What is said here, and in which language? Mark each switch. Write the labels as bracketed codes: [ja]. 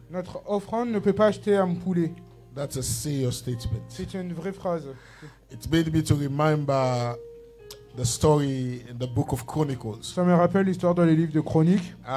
[fr] Notre offrande ne peut pas acheter un poulet. [en] That's a serious statement. [fr] C'est une vraie phrase. [en] It made me to remember the story in the book of Chronicles. [fr] Ça me rappelle l'histoire dans les livres de Chroniques.